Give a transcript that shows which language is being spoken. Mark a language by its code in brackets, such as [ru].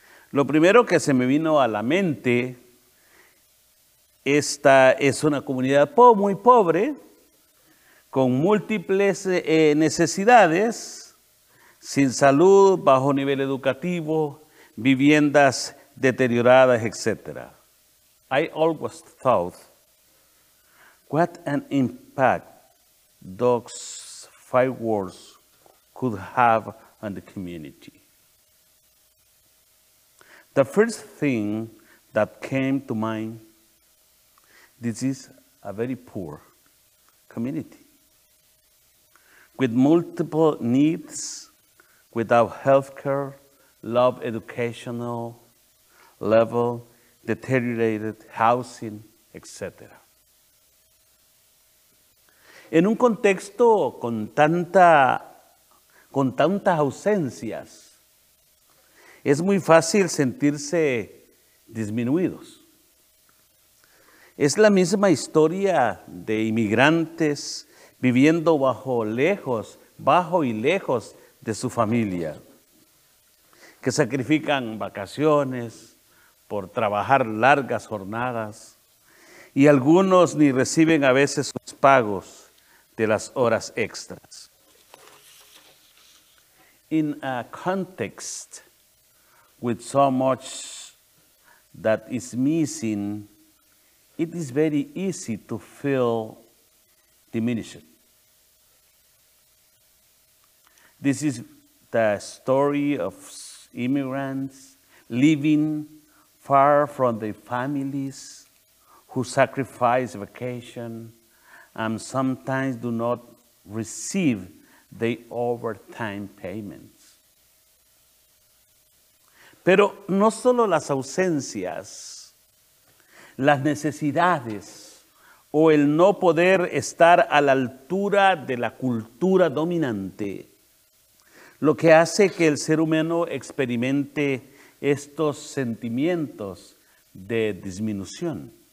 [es] Lo primero que se me vino a la mente, esta es una comunidad muy pobre, con múltiples necesidades, sin salud, bajo nivel educativo, viviendas deterioradas, etc. [en] I always thought, what an impact those five words could have on the community. The first thing that came to mind, this is a very poor community with multiple needs, without healthcare, low educational level, deteriorated housing, etc. [es] En un contexto con tantas ausencias, es muy fácil sentirse disminuidos. Es la misma historia de inmigrantes viviendo bajo y lejos de su familia, que sacrifican vacaciones por trabajar largas jornadas, y algunos ni reciben a veces sus pagos de las horas extras. [en] In a context with so much that is missing, it is very easy to feel diminished. This is the story of immigrants living far from their families who sacrifice vacation and sometimes do not receive the overtime payments. [es] Pero no solo las ausencias, las necesidades o el no poder estar a la altura de la cultura dominante, lo que hace que el ser humano experimente estos sentimientos de disminución.